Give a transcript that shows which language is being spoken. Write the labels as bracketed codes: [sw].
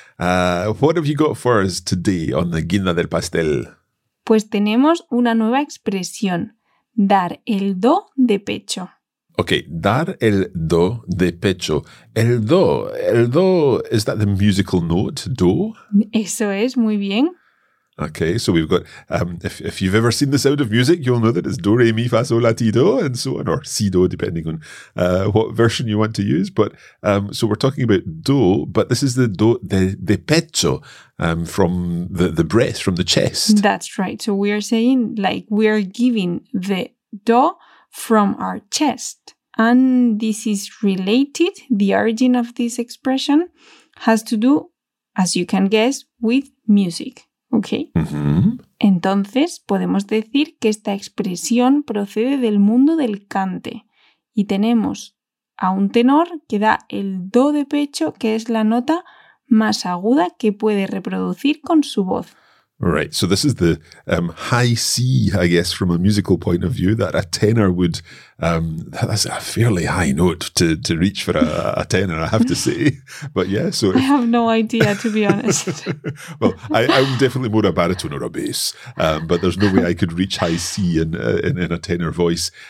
[en] What have you got for us today on the [es] guinda del pastel? Pues tenemos una nueva expresión, dar el do de pecho. Ok, dar el do de pecho. [en] El do, is that the musical note, do? [es] Eso es, muy bien. [en] Okay, so we've got, if you've ever seen The Sound of Music, you'll know that it's do, re, mi, fa, sol, la, ti, do, and so on, or si, do, depending on what version you want to use. But so we're talking about do, but this is the [es] do de pecho, [en] from the breath, from the chest. That's right. So we are saying, like, we are giving the do from our chest. And this is related, the origin of this expression has to do, as you can guess, with music. Okay. [es] Entonces, podemos decir que esta expresión procede del mundo del cante. Y tenemos a un tenor que da el do de pecho, que es la nota más aguda que puede reproducir con su voz. [en] Right, so this is the high C, I guess, from a musical point of view, that a tenor would, that's a fairly high note to reach for a tenor, I have to say. But yeah, so... I have no idea, to be honest. Well, I'm definitely more a baritone or a bass, but there's no way I could reach high C in a tenor voice.